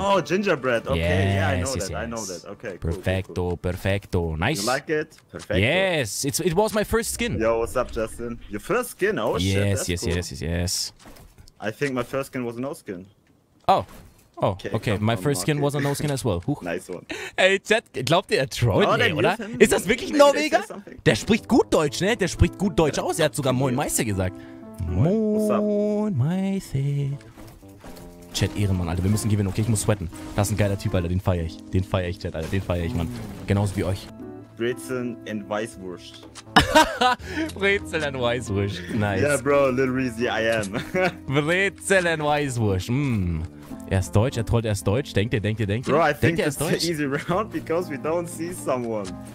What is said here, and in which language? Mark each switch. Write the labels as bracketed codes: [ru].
[en] Oh, gingerbread. Okay. Yes, yeah, I know yes, that. Yes. I know that. Okay. Perfecto. Cool, cool. Perfecto. Nice. You like it? Perfecto. Yes. It was my first skin. Yo, what's up, Justin? Your first skin? Oh shit. Yes. That's yes. Cool. Yes. Yes. Yes. I think my first skin was no skin. Oh. Oh, okay. My first skin was a no skin as well. Huch. Nice one. [de] Ey, Chat, glaubt ihr, er trollt mich, oder? Ist das wirklich Norweger? Der spricht gut Deutsch, ne? Der spricht gut Deutsch aus. Er hat sogar Moin Meister gesagt. Moin Meister. Chat Ehrenmann, Alter. Wir müssen gewinnen. Okay, ich muss sweaten. Das ist ein geiler Typ, Alter. Den feier ich. Den feier ich, Chat, Alter. Den feier ich, Mann. Genauso wie euch. [en] Brezeln and Weißwurst. Brezeln and Weißwurst. Nice. Yeah, bro. Little Reezy, I am. Brezeln and Weißwurst. [de] Er ist Deutsch, er trollt erst Deutsch, denkt ihr. [en] Bro, I think it's the easy round because we don't see someone.